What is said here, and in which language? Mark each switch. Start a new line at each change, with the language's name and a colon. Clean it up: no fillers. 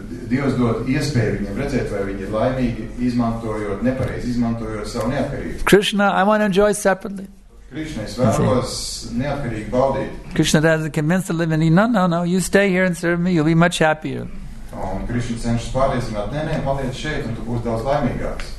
Latvian: Dievs dod iespēju viņiem redzēt, vai viņi ir laimīgi izmantojot, nepareizi izmantojot savu neatkarību.
English: Krishna, I want to enjoy separately.
Latvian: Krishna, es vēlos neatkarīgi baudīt.
English: Krishna doesn't convince the living, no, you stay here and serve me, you'll be much happier.
Latvian: Un Krishna cenšas pārliecināt, nē, paliec šeit, un tu būsi daudz laimīgāks.